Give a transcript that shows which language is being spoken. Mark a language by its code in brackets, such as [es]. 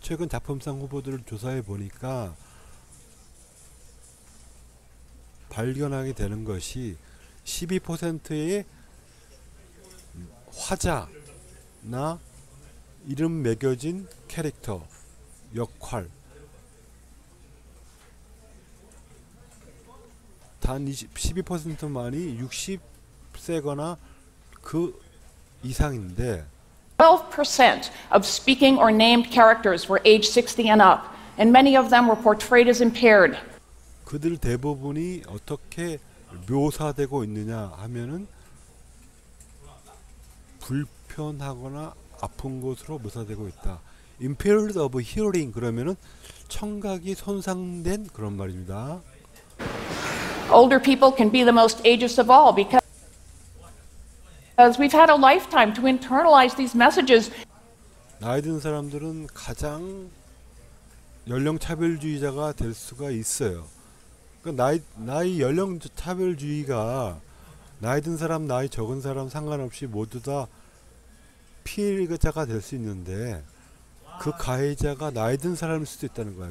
[ko] 최근 작품상 후보들을 조사해 보니까 발견하게 되는 것이 12%의 화자나 이름 매겨진 캐릭터 역할 단 12%만이 60세거나 그 이상인데 [en] 12% of speaking or named characters were age 60 and up and many of them were portrayed as impaired. [ko] 그들 대부분이 어떻게 묘사되고 있느냐 하면은 불편하거나 아픈 것으로 묘사되고 있다. [en] Impaired of hearing [ko] 그러면은 청각이 손상된 그런 말입니다. [en] Older people can be the most ageist of all because we've had a lifetime to internalize these messages. [ko] 나이 든 사람들은 가장 연령 차별주의자가 될 수가 있어요. 나이 연령 차별주의가 나이 든 사람 나이 적은 사람 상관없이 모두 다 피해자가 될 수 있는데 그 가해자가 나이 든 사람일 수도 있다는 거야.